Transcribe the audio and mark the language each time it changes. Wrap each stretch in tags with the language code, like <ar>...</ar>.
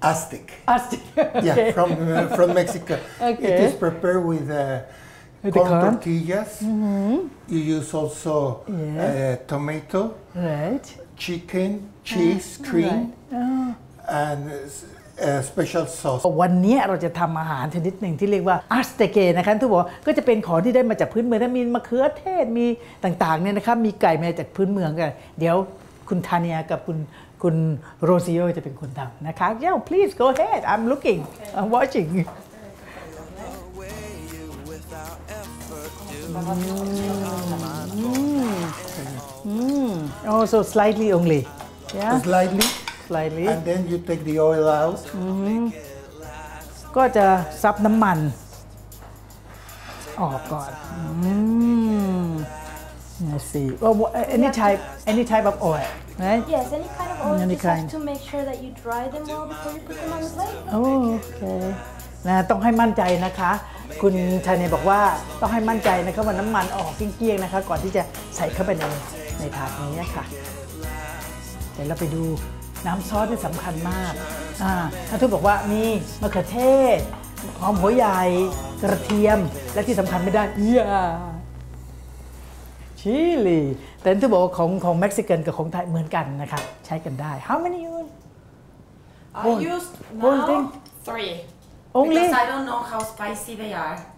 <en>Aztec yeah from Mexico okay. It is prepared with corn tortillas you use also tomato right chicken cheese cream right. And a special sauce.</en> <th>วันนี้เราจะทำอาหารชนิดหนึ่งที่เรียกว่าอัสเตเกนะครับทุกบอกก็จะเป็นของที่ได้มาจากพื้นเมืองมีมะเขือเทศมีต่างๆเนี่ยนะครับมีไก่มาจากพื้นเมืองกันเดี๋ยวคุณทานียากับคุณโรซิโอจะเป็นคนทำนะคะ</th> <en>Yeah, please go ahead. I'm looking. I'm watching. Oh, so slightly only. Yeah. Slightly. Slightly. And then you take the oil out.</en> <th>ก็จะซับน้ำมันออกก่อน</th> <en>Let's see. Well, any type of oil, right? Yes, any kind of oil. Any kind. Just to make sure that you dry them well before you put them on the plate. Oh, okay.</en> <th>นะต้องให้มั่นใจนะคะคุณชายเนี่ยบอกว่าต้องให้มั่นใจนะคะว่าน้ำมันออกเกลี้ยงนะคะก่อนที่จะใส่เข้าไปในถาดนี้ค่ะเดี๋ยวเราไปดูน้ำซอสที่สำคัญมากท่านทูตบอกว่ามีมะเขือเทศหอมหัวใหญ่กระเทียมและที่สำคัญไม่ได้ ชิลีแต่ท่านทูตบอกว่าของเม็กซิกันกับของไทยเหมือนกันนะคะใช้กันได้</th> <en>How many you use? I used now three Only. Because I don't know how spicy they are.</en>